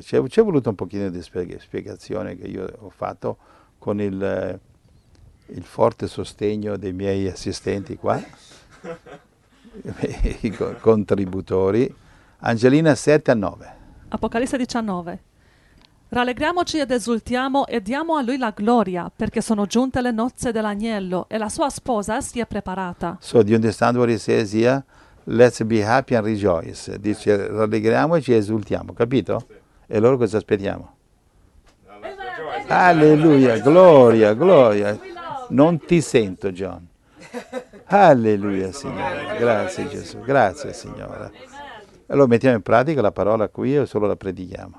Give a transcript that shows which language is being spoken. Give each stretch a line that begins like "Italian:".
Italian: C'è voluto un pochino di spiegazione che io ho fatto con il forte sostegno dei miei assistenti qua, i contributori. Angelina 7 a 9. Apocalisse 19. Rallegriamoci ed esultiamo e diamo a lui la gloria, perché sono giunte le nozze dell'agnello e la sua sposa si è preparata.
English: So, do you understand what he says here? Let's be happy and rejoice.
Italian: Dice, rallegriamoci e esultiamo, capito? E loro cosa aspettiamo? Alleluia, gloria, gloria. Non ti sento, John. Alleluia, Signore. Grazie, Gesù. Grazie, Signore. Allora mettiamo in pratica la parola qui e solo la predichiamo.